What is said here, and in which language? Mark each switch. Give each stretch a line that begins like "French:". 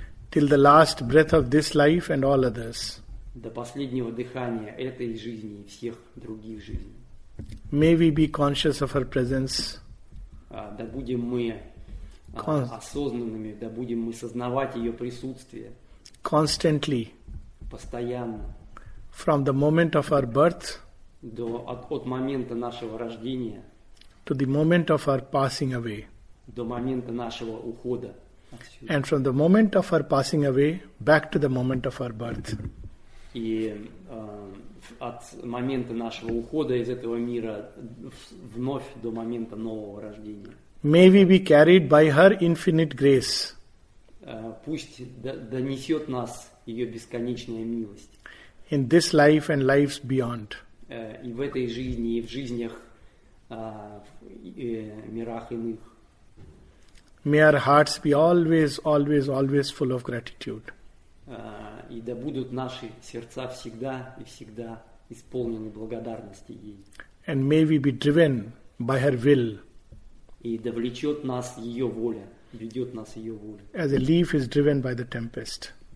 English: Till the last breath of this life and all others.
Russian: До последнего дыхания этой жизни и всех других жизней.
English: May we be conscious of her presence.
Russian: Да будем мы осознанными, да будем мы сознавать ее присутствие.
English: Constantly.
Russian: Постоянно.
English: From the moment of our birth.
Russian: До от момента нашего рождения.
English: To the moment of our passing away.
Russian: До момента нашего ухода.
English: And from the moment of our passing away back to the moment of our birth.
Russian: И от момента нашего ухода из этого мира вновь до момента нового рождения.
English: May we be carried by her infinite grace.
Russian: Пусть донесет нас ее бесконечная милость.
English: In this life and lives beyond.
Russian: И в этой жизни, и в жизнях, и мирах иных.
English: May our hearts be always, always, always full of gratitude.
Russian: И да будут наши сердца всегда и всегда исполнены благодарности ей.
English: And may we be driven by her will.
Russian: И да влечет нас ее воля, ведет нас ее воля.
English: As a leaf is driven by the tempest.